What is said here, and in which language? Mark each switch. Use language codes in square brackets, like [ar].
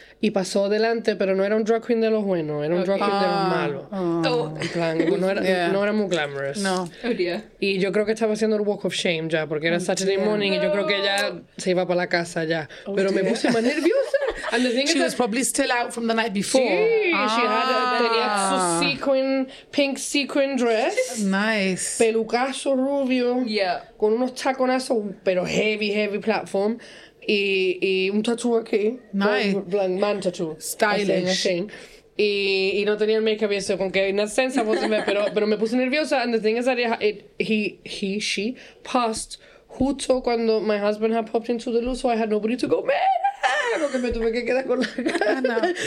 [es] Y pasó adelante, pero no era un drag queen de los buenos. Era un drag queen de los malos. No era muy glamorous. No. Oh, y yo creo que estaba haciendo el [en] walk of shame [es] ya, porque era [en] Saturday morning [es] y yo creo que ya se iba para la casa ya. Oh, pero me puse más nerviosa. [en] And the thing she was probably still out from the night before. [es] Tenía su sequin, [en] pink sequin dress. Nice. [es] Pelucazo rubio. [en] Yeah. [es] Con unos taconazos, pero [en] heavy, heavy platform. [es] Y un tattoo aquí. [en] Nice. Blanc, man tattoo. Stylish. [es] Y no tenía el make-up eso, con que [en] in a sense I wasn't there, [es] pero me puse nerviosa. [en] And the thing is that she passed [es] justo cuando [en] my husband had popped into the loop, so I had nobody to go, man. [es] Que me tuve que quedar con la cara.